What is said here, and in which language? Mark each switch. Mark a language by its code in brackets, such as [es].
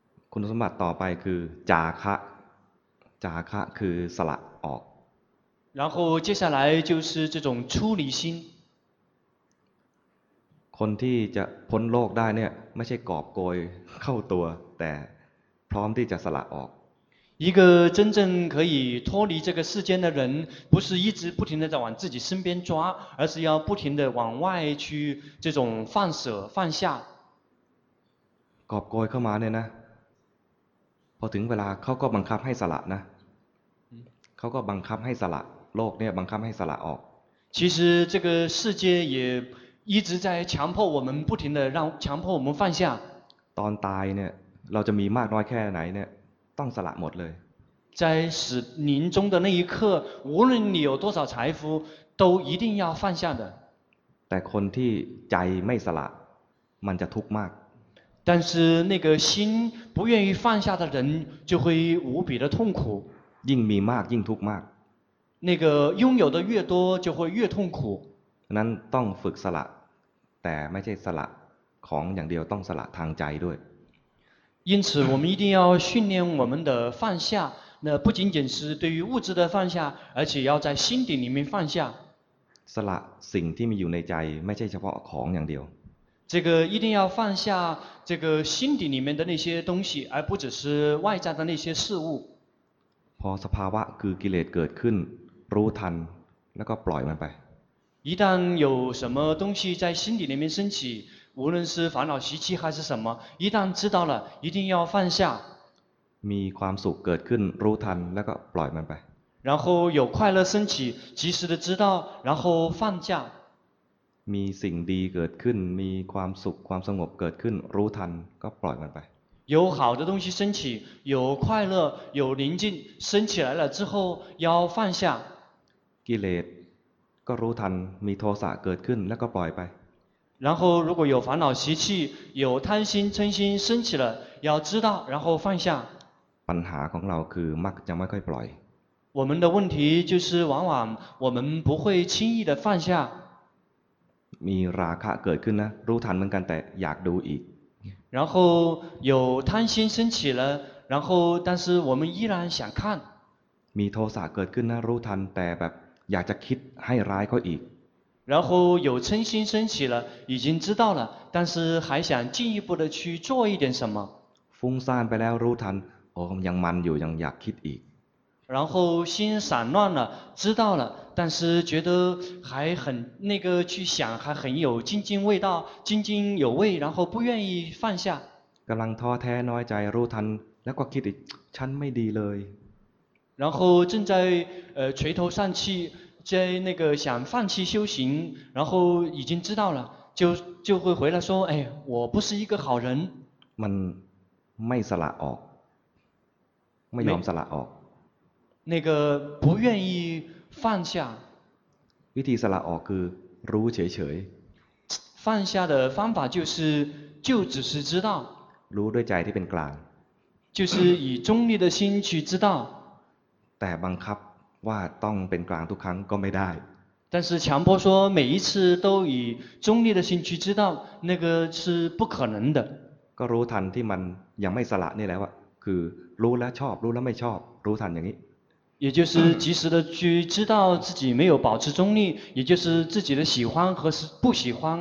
[th] คุณสมบัติต่อไปคือจาคะจาคะคือสละออก [zh] 然后接下来就是这种出离心 [th] คนที่จะพ้นโลกได้เนี่ยไม่ใช่กอบโกยเข้าตัวแต่พร้อมที่จะสละออก [zh] 一个真正可以脱离这个世间的人，不是一直不停的在往自己身边抓，而是要不停的往外去这种放舍放下。 [th] กอบโกยเข้ามาเนี่ยนะพอถึงเวลาเขาก็บังคับให้สละนะเขาก็บังคับให้สละโลกเนี่ยบังคับให้สละออก [zh] 其实这个世界也一直在强迫我们不停的让强迫我们放下 [th] ตอนตายเนี่ยเราจะมีมากน้อยแค่ไหนเนี่ยต้องสละหมดเลย [zh] 在死临终的那一刻无论你有多少财富都一定要放下的 [th] แต่คนที่ใจไม่สละมันจะทุกข์มาก [zh] 但是那个心不愿意放下的人就会无比的痛苦 [th] ยิ่งมีมากยิ่งทุกข์มาก [zh] 那个拥有的越多就会越痛苦 [th] นั้นต้องฝึกสละแต่ไม่ใช่สละของอย่างเดียวต้องสละทางใจด้วย [zh] 因此我们一定要训练我们的放下那不仅仅是对于物质的放下而且要在心底里面放下 [th] สละสิ่งที่มีอยู่ในใจไม่ใช่เฉพาะของอย่างเดียว [zh] 这个一定要放下这个心底里面的那些东西，而不只是外在的那些事物。 [th] พอสภาวะคือกิเลสเกิดขึ้นรู้ทันแล้วก็ปล่อยมันไป [zh] 一旦有什么东西在心底里面升起，无论是烦恼习气还是什么，一旦知道了，一定要放下。 [th] มีความสุขเกิดขึ้นรู้ทันแล้วก็ปล่อยมันไป [zh] 然后有快乐升起，及时的知道，然后放下。 [th] มีสิ่งดีเกิดขึ้นมีความสุขความสงบเกิดขึ้นรู้ทันก็ปล่อยมันไป [zh] 有好的东西升起，有快乐，有宁静，升起来了之后要放下。 [th] กิเลสก็รู้ทันมีโทสะเกิดขึ้นแล้วก็ปล่อยไป [zh] 然后如果有烦恼习气，有贪心嗔心升起了，要知道，然后放下。 [th] ปัญหาของเราคือมักจะไม่ค่อยปล่อย [zh] 我们的问题就是往往我们不会轻易的放下。 [th] มีราคะเกิดขึ้นนะรู้ทันเหมือนกันแต่อยากดูอีก [zh] 然后有贪心升起了然后但是我们依然想看 [th] มีโทสะเกิดขึ้นนะรู้ทันแต่แบบอยากจะคิดให้ร้ายเขาอีก [zh] 然后有嗔心升起了已经知道了但是还想进一步的去做一点什么 [th] ฟุ้งซ่านไปแล้วรู้ทันโอ้ยังมันอยู่ยังอยากคิดอีก [zh] 然后心散乱了知道了但是觉得还很那个去想还很有津津味道津津有味然后不愿意放下 [th] กำลังท้อแท้น้อยใจรู้ทันแล้วก็คิดอีกฉันไม่ดีเลย [zh] 然后正在垂头丧气在那个想放弃修行然后已经知道了就会回来说哎我不是一个好人 [th] มันไม่สละออกไม่ยอมสละออก นั่นก็ [zh] 不愿意放下 [th] วิธีสละออกคือรู้เฉย [zh] ๆ放下的方法就只是知道 [th] รู้ด้วยใจที่เป็นกลาง [zh] 就是以中立的心去知道 [th] แต่บังคับว่าต้องเป็นกลางทุกครั้งก็ไม่ได้ [zh] 但是强迫说每一次都以中立的心去知道那个是不可能的 [th] ก็รู้ทันที่มันยังไม่สละนี่แหละว่าคือรู้แล้วชอบรู้แล้วไม่ชอบรู้ทันอย่างนี้ [zh] 也就是及时的去知道自己没有保持中立，也就是自己的喜欢和不喜欢。